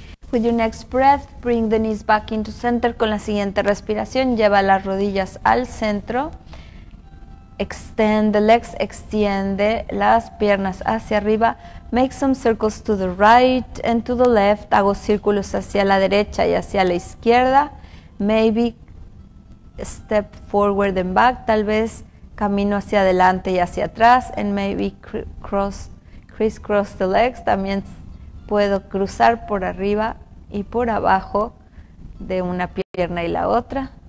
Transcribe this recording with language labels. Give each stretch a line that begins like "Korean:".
English: With your next breath, bring the knees back into center.
Spanish: Con la siguiente respiración, lleva las rodillas al centro.
English: Extend the legs,
Spanish: extiende las piernas hacia arriba.
English: Make some circles to the right and to the left.
Spanish: Hago círculos hacia la derecha y hacia la izquierda.
English: Maybe step forward and back.
Spanish: Tal vez camino hacia adelante y hacia atrás.
English: And maybe crisscross the legs.
Spanish: También puedo cruzar por arriba y por abajo de una pierna y la otra.